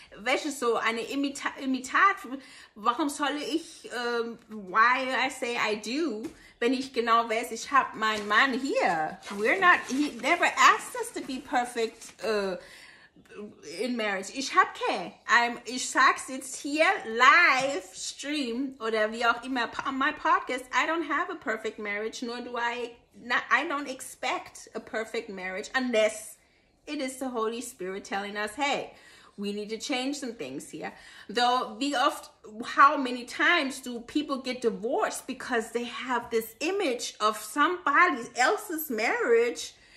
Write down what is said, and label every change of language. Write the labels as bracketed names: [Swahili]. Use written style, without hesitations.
[German] Welches so eine Imitat, warum soll ich, [English] why I say I do, [German] wenn ich genau weiß, ich habe meinen Mann hier. [English] We're not, he never asked us to be perfect in marriage. [German] Ich habe keinen. Ich sag's jetzt hier live stream oder wie auch immer [English] on my podcast. I don't have a perfect marriage, nor do I. I don't expect a perfect marriage unless it is the Holy Spirit telling us, hey, we need to change some things here. Though, [German] wie oft, [English] how many times do people get divorced because they have this image of somebody else's marriage?